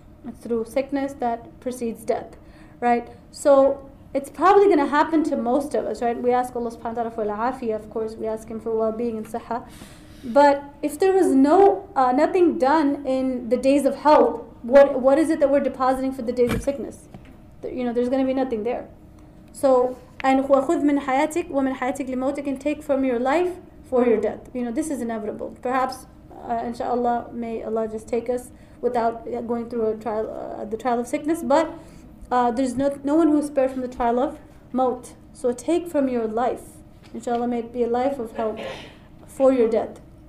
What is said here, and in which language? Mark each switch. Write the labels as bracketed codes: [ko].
[en] It's through sickness that precedes death, right? So it's probably going to happen to most of us, right? We ask Allah subhanahu wa ta'ala for al-afiyah, of course. We ask Him for well-being and siha. But if there was nothing done in the days of health, what is it that we're depositing for the days of sickness? You know, there's going to be nothing there. So, and [ar] وَخُذْ مِنْ حَيَاتِكَ وَمِنْ حَيَاتِكَ لِمَوْتِكَ. [en] And take from your life for your death. You know, this is inevitable. Perhaps, inshallah, may Allah just take us without going through a trial, the trial of sickness. But there's no one who is spared from the trial of maut. So take from your life, inshallah, may it be a life of help, for your death.